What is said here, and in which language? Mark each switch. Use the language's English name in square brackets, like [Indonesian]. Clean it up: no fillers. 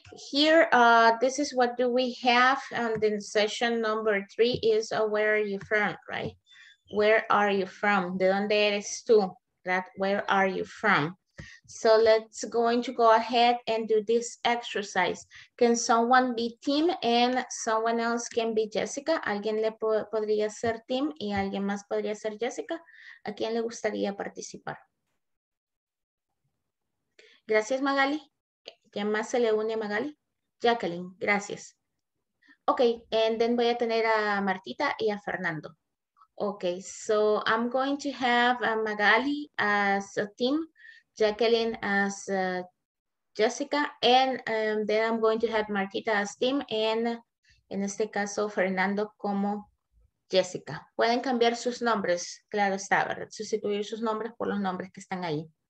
[English] Here, this is what do we have and in session number 3 is where are you from, right? Where are you from? [Spanish] ¿De dónde eres tú? [English] That where are you from? So let's going to go ahead and do this exercise. Can someone be Tim and someone else can be Jessica? [Spanish] ¿Alguien le podría ser Tim y alguien más podría ser Jessica? ¿A quién le gustaría participar? Gracias, Magali. ¿Quién más se le une a Magali? Jacqueline, gracias. [English] Ok, and then [Spanish] voy a tener a Martita y a Fernando. [English] Ok, so I'm going to have a Magali as a team, Jacqueline as Jessica, and then I'm going to have Martita as team, and [Spanish] en este caso Fernando como Jessica. Pueden cambiar sus nombres, claro está, ¿verdad? Sustituir sus nombres por los nombres que están ahí.